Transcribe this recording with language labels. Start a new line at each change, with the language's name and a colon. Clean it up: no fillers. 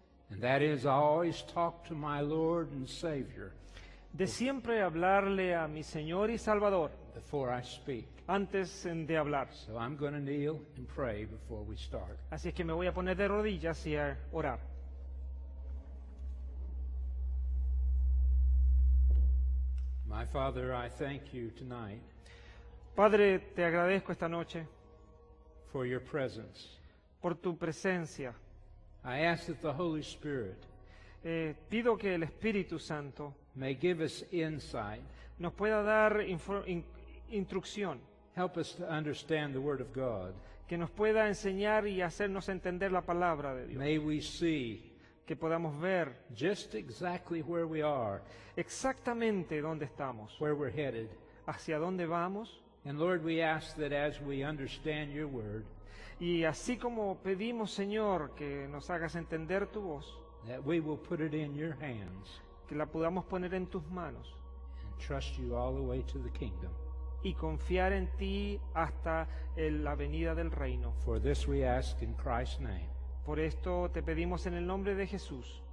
English: And that is, I always talk to my Lord and Savior.
Spanish: De siempre hablarle a mi Señor y Salvador.
English: Before I speak.
Spanish: Antes de hablar.
English: So I'm going to kneel and pray before we start.
Spanish: Así es que me voy a poner de rodillas y a orar.
English: My Father, I thank you tonight.
Spanish: Padre, te agradezco esta noche.
English: For your presence.
Spanish: Por tu presencia.
English: I ask that the Holy Spirit
Spanish: pido que el Espíritu Santo
English: may give us insight.
Spanish: Nos pueda dar instrucción.
English: Help us to understand the Word of God.
Spanish: Que nos pueda enseñar y hacernos entender la palabra de Dios.
English: May we see
Spanish: que podamos ver
English: just exactly where we are.
Spanish: Exactamente dónde estamos.
English: Where we're headed.
Spanish: Hacia dónde vamos.
English: And Lord, we ask that as we understand your word,
Spanish: y así como pedimos, Señor, que nos hagas entender tu voz,
English: that we will put it in your hands,
Spanish: que la podamos poner en tus manos,
English: and trust you all the way to the kingdom,
Spanish: y confiar en ti hasta la venida del reino.
English: For this we ask in Christ's name.
Spanish: Por esto te pedimos en el nombre de Jesús.